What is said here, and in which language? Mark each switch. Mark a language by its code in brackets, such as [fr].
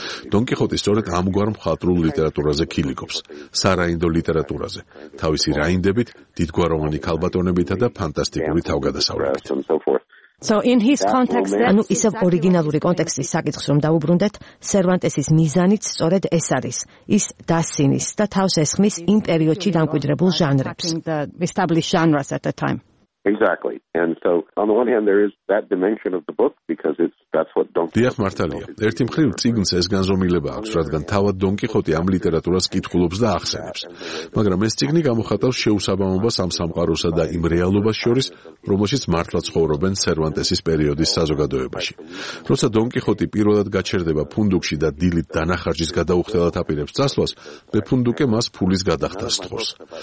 [ka] დონ კიხოტი სწორედ ამგვარ მხატვრულ ლიტერატურაზე ქილიკობს, სარაინდო ლიტერატურაზე, თავისი რაინდებით, დიდგვაროვანი ქალბატონებითა და ფანტასტიკური თავგადასავლებით. [en] So in his context, [ka] ანუ ისევ ორიგინალური კონტექსტის საკითხს რომ დაუბრუნდეთ, სერვანტესის მიზანიც სწორედ ეს არის. ის დასინის და თავს ესხმის იმ პერიოდში დამკვიდრებულ ჟანრებს. [en] Exactly. And so on the one hand there is that dimension of the book because that's what Don Quixote. [ka] დიახ, მართალია. ერთი მხრივ წიგნს ეს განზომილება აქვს, რადგან თავად დონ კიხოტი ამ ლიტერატურას კითხულობს და ახსენებს. მაგრამ ეს წიგნი გამოხატავს შეუსაბამობას ამ სამყაროსა და იმ რეალობას შორის, რომელშიც მართლა ცხოვრობენ სერვანტესის პერიოდის საზოგადოებაში. როცა დონ კიხოტი პირველად გაჩერდება ფუნდუკში და დილით დანახარჯის გადაუხდელად აპირებს წასვლას, ბეფუნდუკე მას ფულის გადახდას სთხოვს.